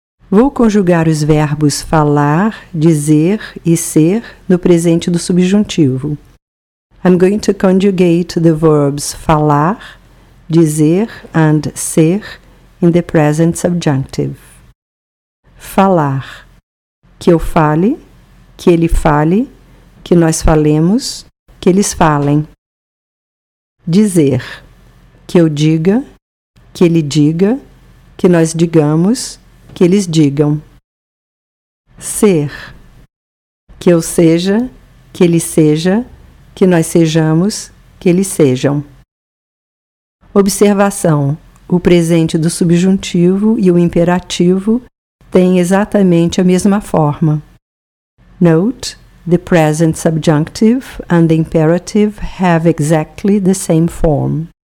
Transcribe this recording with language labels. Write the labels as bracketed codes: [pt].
[pt] Vou conjugar os verbos falar, dizer e ser no presente do subjuntivo. [en] I'm going to conjugate the verbs falar, dizer and ser in the present subjunctive. [pt] Falar. Que eu fale, que ele fale, que nós falemos, que eles falem. Dizer. Que eu diga, que ele diga, que nós digamos, que eles digam. Ser. Que eu seja, que ele seja, que nós sejamos, que eles sejam. Observação. O presente do subjuntivo e o imperativo têm exatamente a mesma forma. [en] Note, the present subjunctive and the imperative have exactly the same form.